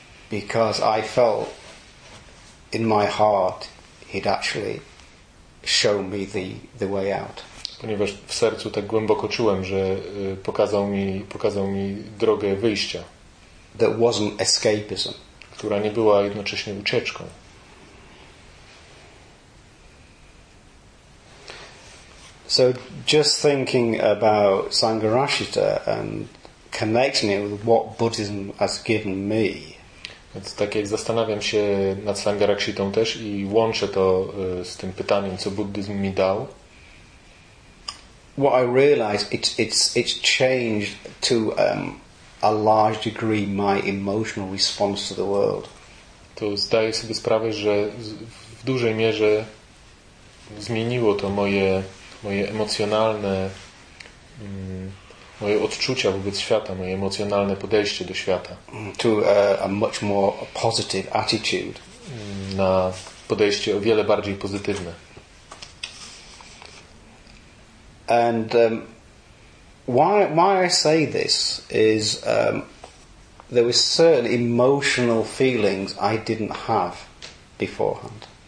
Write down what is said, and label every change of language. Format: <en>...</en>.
<en>Because I felt in my heart he'd actually show me the way out.</en> <pl>Ponieważ w sercu tak głęboko czułem, że pokazał mi drogę wyjścia.</pl> <en>That wasn't escapism.</en> <pl>Która nie była jednocześnie ucieczką.</pl> <en>So just thinking about Sangharakshita and connecting it with what Buddhism has given me.</en> <pl>Więc tak jak zastanawiam się nad Sangharakshitą też i łączę to z tym pytaniem, co buddyzm mi dał.</pl> <en>What I realize it's changed to a large degree my emotional response to the world.</en> <pl>To zdaję sobie sprawę, że w dużej mierze zmieniło to moje emocjonalne moje odczucia wobec świata, moje emocjonalne podejście do świata.</pl> <en>To a much more positive attitude.</en> <pl>Na podejście o wiele bardziej pozytywne.</pl> <en>And why I say this is there were certain emotional feelings I didn't have beforehand.</en>